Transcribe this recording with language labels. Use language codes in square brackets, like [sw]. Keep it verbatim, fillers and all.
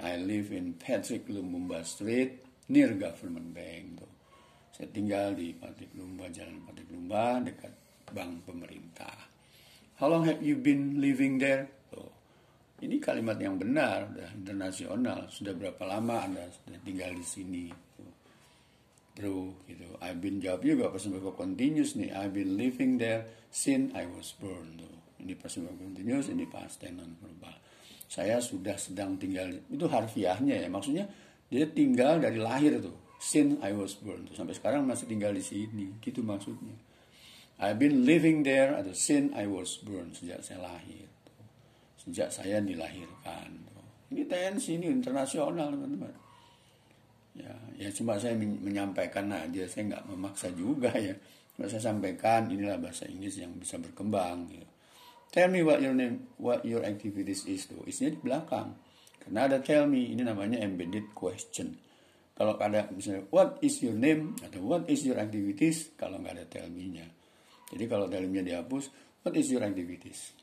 [en] I live in Patrick Lumumba Street, near Government Bank. Tuh. [id] Saya tinggal di Patrick Lumumba, Jalan Patrick Lumumba, dekat bank pemerintah. [en] How long have you been living there? [id] Tuh. Ini kalimat yang benar, sudah internasional. Sudah berapa lama Anda sudah tinggal di sini, bro? Gitu. [en] I've been [id] jawab juga [en] present verb continuous nih. I've been living there since I was born. [id] Tuh. Ini present verb continuous, ini past tense non-verbal. Saya sudah sedang tinggal. Itu harfiahnya ya. Maksudnya dia tinggal dari lahir tuh. [en] Since I was born [id] tuh. Sampai sekarang masih tinggal di sini. Gitu maksudnya. [en] I've been living there atau since I was born, [id] sejak saya lahir. Sejak saya dilahirkan. Ini tensi, ini internasional teman-teman. Ya, ya cuma saya menyampaikan aja, saya nggak memaksa juga ya. Cuma saya sampaikan, inilah bahasa Inggris yang bisa berkembang. Gitu. [en] Tell me what your name, what your activities is tuh. [id] Isinya di belakang. Karena ada tell me, ini namanya embedded question. Kalau ada misalnya [en] what is your name [id] atau [en] what is your activities, [id] kalau nggak ada tell me-nya. Jadi kalau tell me-nya dihapus, [en] what is your activities?